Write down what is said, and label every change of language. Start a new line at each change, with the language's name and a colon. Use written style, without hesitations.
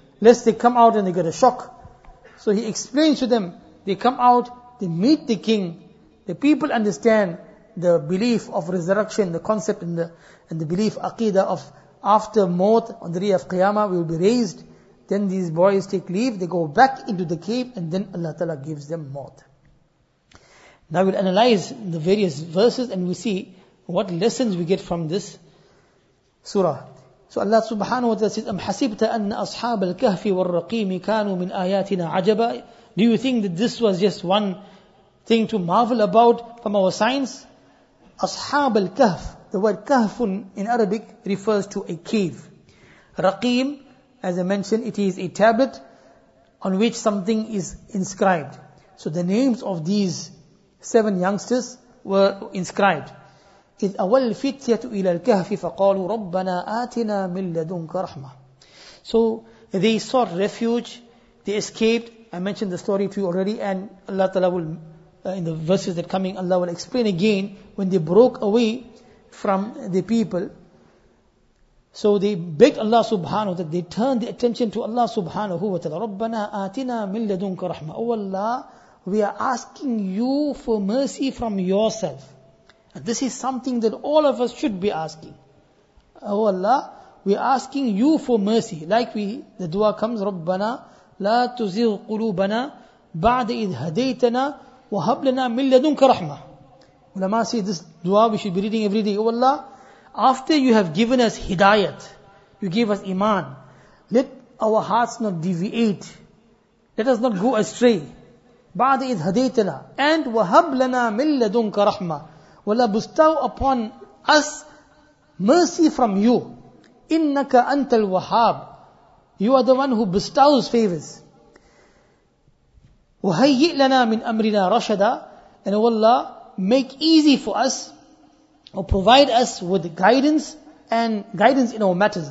English: Lest they come out and they get a shock. So he explains to them, they come out, they meet the king, the people understand the belief of resurrection, the concept and the belief, aqidah of after maut, on the day of qiyamah, we will be raised. Then these boys take leave, they go back into the cave, and then Allah Ta'ala gives them maut. Now we'll analyze the various verses and we see what lessons we get from this surah. So Allah subhanahu wa ta'ala says,
Arabic: أَمْ حَسِبْتَ أَنَّ أَصْحَابَ الْكَهْفِ وَالرَّقِيمِ كَانُوا مِنْ آيَاتِنَا عَجَبًا.
English: Do you think that this was just one thing to marvel about from our signs?
Arabic: أَصْحَابَ الْكَهْفِ,
English: the word kahfun in Arabic refers to a cave. Raqim, as I mentioned, it is a tablet on which something is inscribed. So the names of these seven youngsters were inscribed.
Arabic: إِذْ أَوَلْ فِتْيَةُ إِلَى الْكَهْفِ فَقَالُوا رَبَّنَا آتِنَا مِنْ لَدُنْكَ رَحْمَةً.
English: So they sought refuge, they escaped. I mentioned the story to you already, and Allah Ta'ala will, in the verses that are coming, Allah will explain again when they broke away from the people. So they begged Allah subhanahu that they turned the attention to Allah subhanahu wa ta'ala.
Arabic: رَبَّنَا آتِنَا مِنْ لَدُنْكَ رَحْمَةً.
English: Oh Allah, we are asking you for mercy from yourself. And this is something that all of us should be asking. Oh Allah, we are asking you for mercy. Like the dua comes,
Arabic: رَبَّنَا لَا تُزِغْ قُلُوبَنَا بَعْدَ إِذْ هَدَيْتَنَا وَهَبْ لَنَا مِنْ لَدُنْكَ رَحْمَةً.
English: Ulama say this dua we should be reading every day. Oh Allah, after you have given us hidayat, you gave us iman, let our hearts not deviate. Let us not go astray.
Arabic: بَعْدَ إِذْ هَدَيْتَنَا and وَهَبْ لَنَا مِنْ لَدُنْكَ رَحْمَةً.
English: Wallah bestow upon us mercy from you.
Arabic: Innaka antal wahhab.
English: You are the one who bestows favors.
Arabic: وَهَيِّئْ لَنَا مِنْ أَمْرِنَا رَشَدًا.
English: And O Allah, make easy for us, or provide us with guidance in our matters.